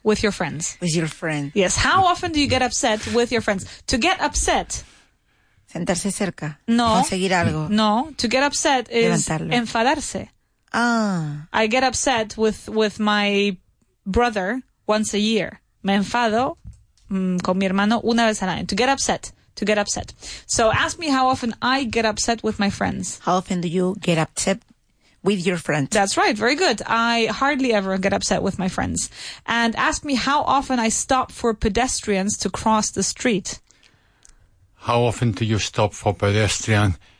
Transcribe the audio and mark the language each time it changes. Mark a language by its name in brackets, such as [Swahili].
[English] With your friends. With your friend. Yes. How often do you get upset with your friends? To get upset. [Spanish] Sentarse cerca. No. Conseguir algo. [English] No. To get upset is [Spanish] levantarlo. Enfadarse. Ah. [English] I get upset with my brother once a year. [Spanish] Me enfado con mi hermano una vez al año. [English] To get upset. To get upset. So ask me how often I get upset with my friends. How often do you get upset with your friends? That's right. Very good. I hardly ever get upset with my friends. And ask me how often I stop for pedestrians to cross the street. How often do you stop for pedestrians?